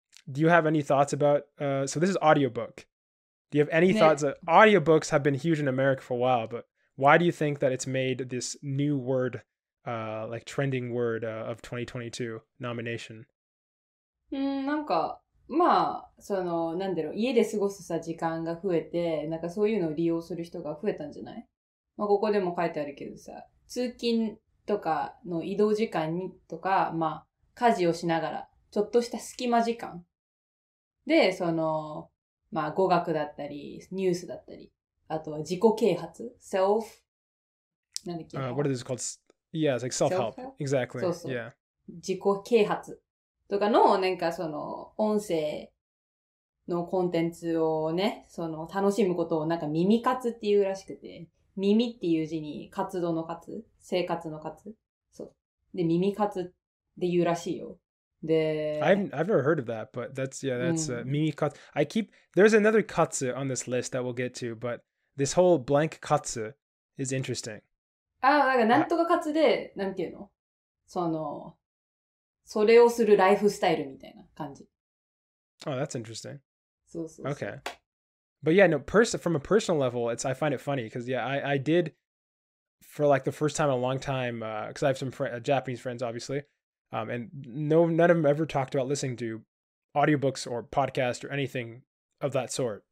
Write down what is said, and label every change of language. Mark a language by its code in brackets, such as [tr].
[en] Do you have any thoughts about, so this is audiobook. Do you have any thoughts? Audiobooks have been huge in America for a while, but why do you think that it's made this new word, like trending word of 2022 nomination? [ja] なんか、まあ、その、なんだろう、家で過ごすさ、時間が増えて、なんかそういうのを利用する人が増えたんじゃない？まあ、ここでも書いてあるけどさ、通勤とかの移動時間にとか、まあ、家事をしながら、ちょっとした隙間時間で、その、まあ、語学だったり、ニュースだったり、あとは自己啓発 self なんだっけ [en] what is it called? Yeah, it's like self-help. Exactly. [ja] そうそう、yeah. 自己啓発とかのなんかその音声のコンテンツをねその楽しむことをなんか耳活っていうらしくて耳っていう字に活動の活生活の活そうで耳活で言うらしいよ [en] I've never heard of that, but mimi katsu. I keep, there's another katsu on this list that we'll get to, but this whole blank katsu is interesting. Ah, like, [ja] なんとか katsu で、なんていうの? その、それをするライフスタイルみたいな感じ。 [en] Oh, that's interesting. [ja] そうそうそう。 [en] Okay. But yeah, no, from a personal level, I find it funny, because yeah, I did, for like the first time in a long time, because I have some Japanese friends, obviously, and none of them ever talked about listening to audiobooks or podcasts or anything of that sort.